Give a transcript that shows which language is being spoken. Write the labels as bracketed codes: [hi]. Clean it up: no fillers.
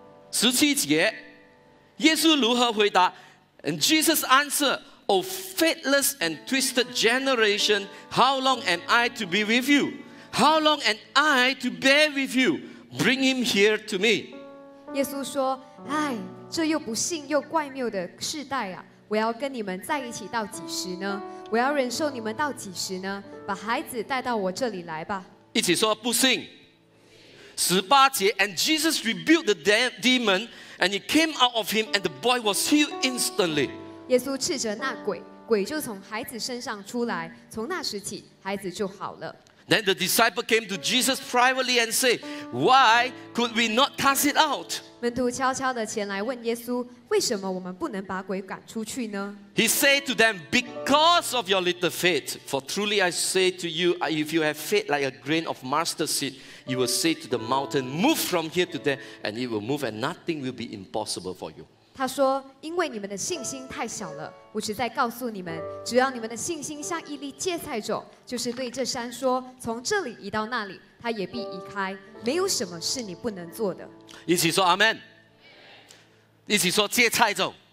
[zh] 十七节，耶稣如何回答 [en] ？And Jesus answered, "O faithless and twisted generation, how long am I to be with you? How long am I to bear with you? Bring him here to me." [zh] 耶稣说：“哎，这又不信又怪谬的世代啊！我要跟你们在一起到几时呢？我要忍受你们到几时呢？把孩子带到我这里来吧。” 一起说不信。十八节 [en] ，And Jesus rebuked the demon, and he came out of him, and the boy was healed instantly. [zh] 耶稣斥责那鬼，鬼就从孩子身上出来，从那时起，孩子就好了。 [en] Then the disciple came to Jesus privately and said, "Why could we not cast it out?" [zh] 门徒悄悄地前来问耶稣，为什么我们不能把鬼赶出去呢？ [en] He said to them, "Because of your little faith. For truly I say to you, if you have faith like a grain of mustard seed, you will say to the mountain, 'Move from here to there,' and it will move, and nothing will be impossible for you." [zh] 他说，因为你们的信心太小了。我实在告诉你们，只要你们的信心像一粒芥菜种，就是对这山说，从这里移到那里，它也必移开，没有什么是你不能做的。一起说阿们。一起说芥菜种。